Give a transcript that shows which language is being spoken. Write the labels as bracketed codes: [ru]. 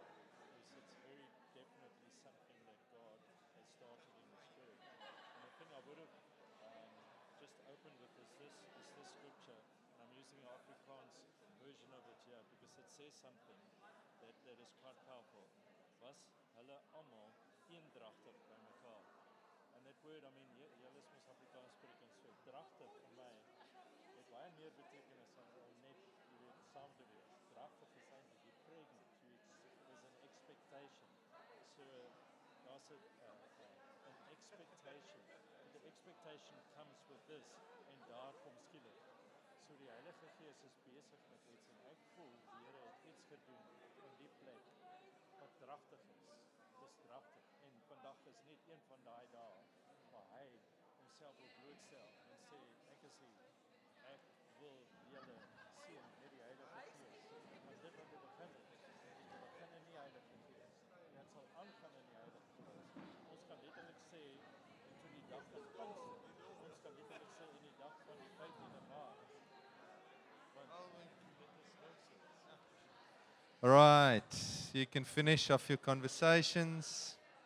[en] It's very definitely something that God has started in the Spirit. And the thing I would have just opened with is this scripture. I'm using the Afrikaans version of it here because it says something that is quite powerful. [af] Was hulle almal eendragtig by mekaar. [en] And that word, I mean, [af] jy is mos Afrikaans spreek en so, dragtig vir my het baie meer betekenis dan net die saam te wees. Dragtig is eintlik die pregnant, [en] there's an expectation. So, [af] daar's [en] an expectation. And the expectation comes with this [af] en daar kom skielik. So die Heilige Gees is besig met iets en ek voel die Here het iets gedoen in die plek wat dragtig is. Dit is dragtig en vandag is net een van daai dae waar hy homself wil blootstel en sê ek is hier. Ek wil julle sien met die Heilige Gees. Want dit wat begin in die Heilige Gees. En dit sal aangaan in die Heilige Gees. Ons kan letterlik sê in die dag van Pinkster. Ons kan letterlik sê in die dag van die 15e Maart. [en] All right, you can finish off your conversations.